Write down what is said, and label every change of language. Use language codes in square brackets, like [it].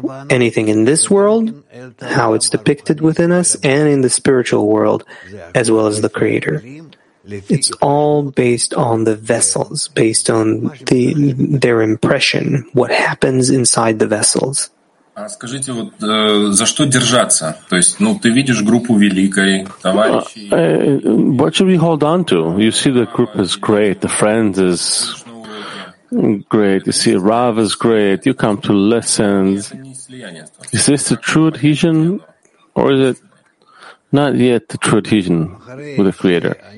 [en] Anything in this world, how it's depicted within us, and in the spiritual world, as well as the Creator. It's all based on the vessels, based on their impression, what happens inside the vessels. [ru] Скажите, вот за что держаться? То есть, ну, ты видишь группу великой, товарищей. [en] What should we hold on to? You see the group is great, the friends is great, you see Rav is great, you come to lessons. Is this the true adhesion, or is it not yet the true adhesion with the Creator?